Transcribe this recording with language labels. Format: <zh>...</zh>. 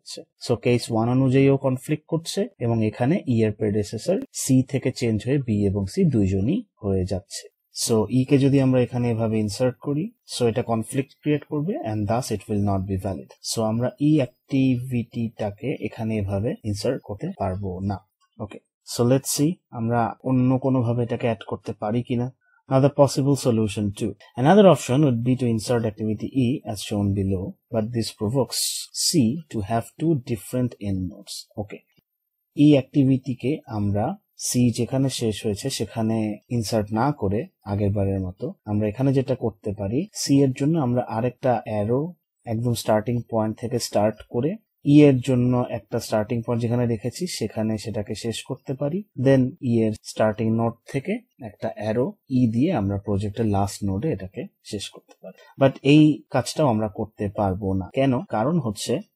<bn>যাচ্ছে so case one অনুযায়ীও conflict করছে এবং এখানে ইয়ার প্রেডেসেসর সি থেকে চেঞ্জ হয়ে বি এবং সি দুইজনই হয়ে যাচ্ছে সো ই কে যদি আমরা এখানে এভাবে ইনসার্ট করি সো এটা কনফ্লিক্ট ক্রিয়েট করবে</bn> <en>and thus it will not be valid</en> <bn>so আমরা ই অ্যাক্টিভিটিটাকে এখানে এভাবে ইনসার্ট করতে পারবো না ওকে সো</bn> <en>let's see</en> <bn>আমরা অন্য কোনো ভাবে এটাকে অ্যাড করতে পারি কিনা</bn> <en>Another possible solution too. Another option would be to insert activity E as shown below, but this provokes C to have two different end nodes. Okay.</en> <bn>E activity ke amra C jekhane shesh hoyeche shekhane insert na kore ager barer moto amra ekhane jeta korte pari C er jonno amra arekta arrow ekdom starting point theke start kore E এর জন্য একটা starting point যেখানে রেখেছি সেখানে সেটাকে শেষ করতে পারি দেন E এর স্টার্টিং নোড থেকে একটা অ্যারো E দিয়ে আমরা প্রজেক্টের লাস্ট নোডে এটাকে শেষ করতে পারি বাট এই কাজটাও আমরা করতে পারবো না কেন কারণ হচ্ছে</bn>